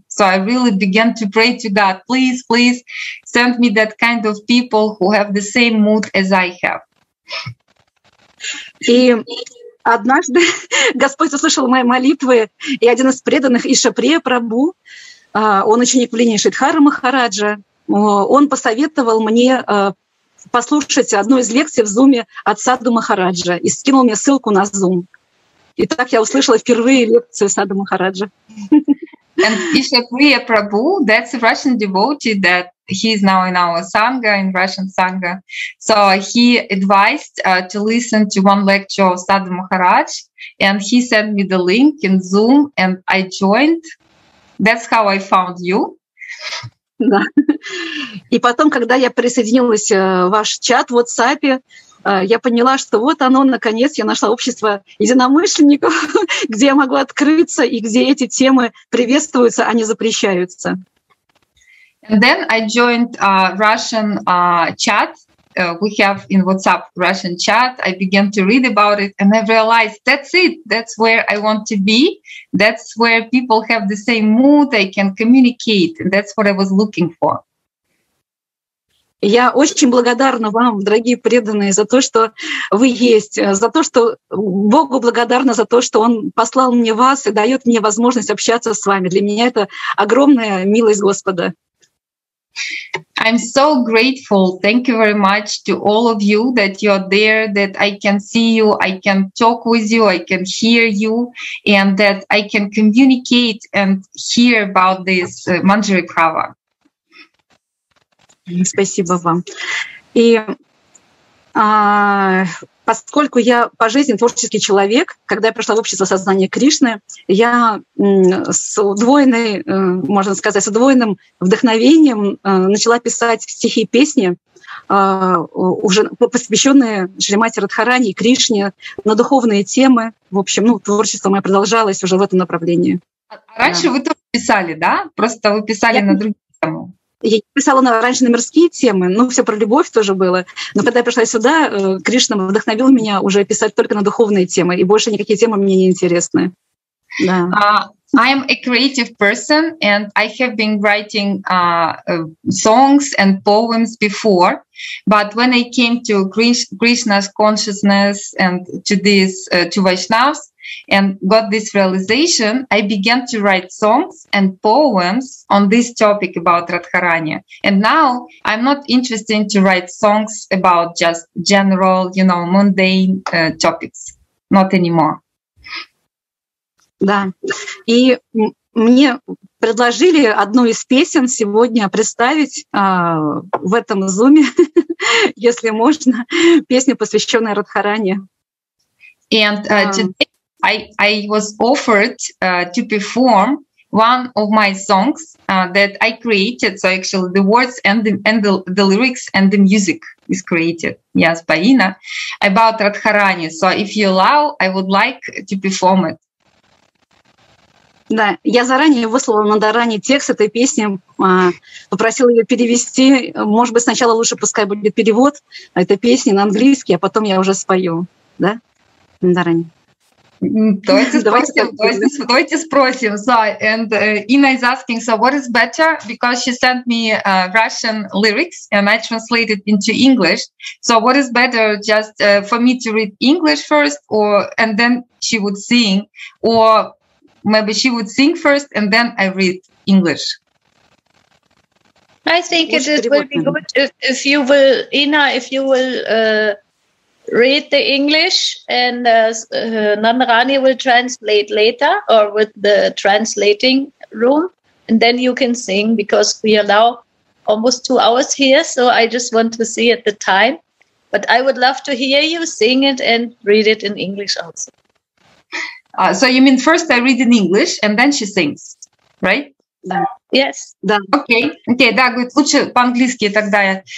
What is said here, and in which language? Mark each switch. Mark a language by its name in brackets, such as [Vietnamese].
[English] So I really began to pray to God, please, please send me that kind of people who have the same mood as I have. [Russian] Однажды Господь услышал мои молитвы, и один из преданных, Ишаприя Прабу, он ученик влияния Шридхара Махараджа, он посоветовал мне послушать одну из лекций в Зуме от Садху Махараджа и скинул мне ссылку на Зум. И так я услышала впервые лекцию Садху Махараджа. [English] Ишаприя Прабу, that's a Russian devotee that he is now in our Sangha, in Russian Sangha. So he advised to listen to one lecture of Sadhu Maharaj, and he sent me the link in Zoom, and I joined. That's how I found you. [Russian] Да. И потом, когда я присоединилась в ваш чат в WhatsApp, я поняла, что вот оно, наконец, я нашла общество единомышленников, где я могу открыться и где эти темы приветствуются, а не запрещаются. [English] And then I joined a Russian chat we have in WhatsApp, Russian chat. I began to read about it and I realized that's it. That's where I want to be. That's where people have the same mood, they can communicate. And that's what I was looking for. [Russian] Я очень благодарна вам, дорогие преданные, за то, что вы есть, за то, что Богу благодарна за то, что Он послал мне вас и дает мне возможность общаться с вами. Для меня это огромная милость Господа. [English] I'm so grateful. Thank you very much to all of you that you are there, that I can see you, I can talk with you, I can hear you, and that I can communicate and hear about this Manjari Bhava. [Russian] Спасибо вам. И поскольку я по жизни творческий человек, когда я пришла в общество сознания Кришны, я с удвоенной, можно сказать, с удвоенным вдохновением начала писать стихи и песни, уже посвященные Шримати Радхарани и Кришне, на духовные темы. В общем, ну, творчество мое продолжалось уже в этом направлении. А раньше вы тоже писали, да? Просто вы писали на другие темы. Я писала раньше на мирские темы, ну, все про любовь тоже было. Но когда я пришла сюда, Кришна вдохновил меня уже писать только на духовные темы, и больше никакие темы мне не интересны. Да. [English] I am a creative person, and I have been writing songs and poems before. But when I came to Krishna's consciousness and to this to Vaishnavas and got this realization, I began to write songs and poems on this topic about Radharani. And now I'm not interested to write songs about just general, you know, mundane topics. Not anymore. [Russian] Да. И мне предложили одну из песен сегодня представить в этом зуме, если можно, песню, посвященную Радхарани. [English] And today I was offered to perform one of my songs that I created. So actually the words and the lyrics and the music is created, yes, by Inna, about Radharani. So if you allow, I would like to perform it. [Russian] Да, я заранее выслала Надаране текст этой песни, попросила ее перевести. Может быть, сначала лучше пускай будет перевод этой песни на английский, а потом я уже спою, да, Надаране? Давайте спросим. [English] So, and Inna is asking, so what is better? Because she sent me Russian lyrics and I translated into English. So what is better, just for me to read English first or and then she would sing? Or maybe she would sing first and then I read English. I think it will be good if you will, Inna, if you will read the English and Nandarani will translate later or with the translating room and then you can sing because we are now almost 2 hours here. So I just want to see at the time. But I would love to hear you sing it and read it in English also. So you mean first I read in English and then she sings, right? Yes. Okay. [Russian] Да, говорит, лучше по-английски тогда.